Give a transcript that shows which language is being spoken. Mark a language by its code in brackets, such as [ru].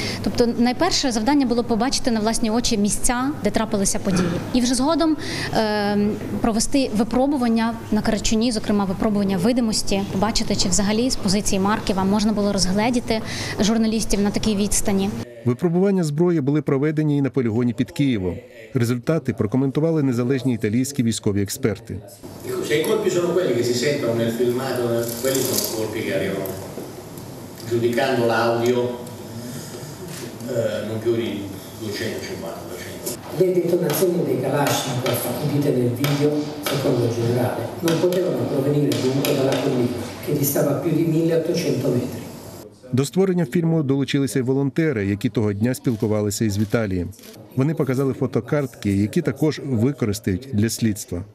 [uk] Тобто, найперше завдання було побачити на власні очі місця, де трапилися події, і вже згодом провести випробування на Карачуні, зокрема випробування видимості, побачити, чи взагалі з позиції Марківа можна було розгледіти журналістів на такій відстані. Випробування зброї були проведені і на полігоні під Києвом. Результати прокоментували незалежні італійські військові експерти. [it] Se i colpi sono quelli che si sentono nel filmato, quelli sono colpi che arrivano. Giudicando l'audio non più di 250. Le detonazioni dei Kalashnikov udite nel video, secondo il generale, non potevano provenire dunque dalla collina, che distava più di 1800 metri. [uk] До створення фільму долучилися й волонтери, які того дня спілкувалися із Віталієм. Вони показали фотокартки, які також використають для слідства.